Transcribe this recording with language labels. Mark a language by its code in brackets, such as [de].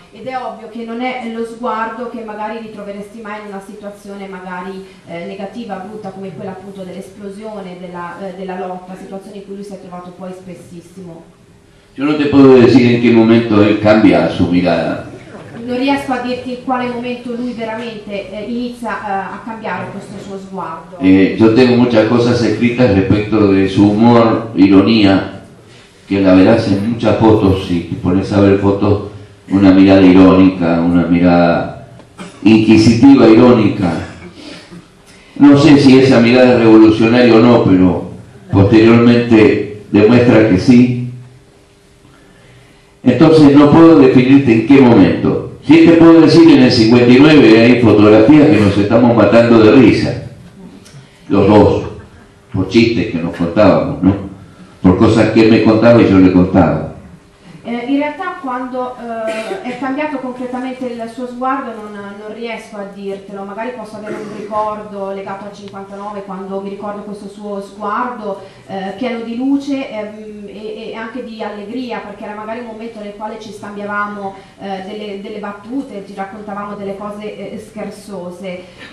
[it] Ed è ovvio che non è lo sguardo che magari ritroveresti mai in una situazione magari negativa, brutta, come quella appunto dell'esplosione, della lotta, situazione in cui lui si è trovato poi spessissimo. [es] Yo no te puedo decir en qué momento él cambia su mirada. [it] No riesco a [es] dirte en qué momento [it] lui veramente inizia a cambiar questo suo sguardo. [es] Yo tengo muchas cosas escritas respecto de su humor, ironía, que la verás en muchas fotos, si te pones a ver fotos, una mirada irónica, una mirada inquisitiva, irónica. No sé si esa mirada es revolucionaria o no, pero posteriormente demuestra que sí. Entonces no puedo definirte en qué momento. Sí te puedo decir que en el 59 hay fotografías que nos estamos matando de risa, los dos, por chistes que nos contábamos, ¿no? Por cosas que él me contaba y yo le contaba. [it] In realtà quando è cambiato concretamente il suo sguardo non riesco a dirtelo, magari posso avere un ricordo legato al 59 quando mi ricordo questo suo sguardo pieno di luce e anche di allegria, perché era magari un momento nel quale ci scambiavamo delle battute, ci raccontavamo delle cose scherzose.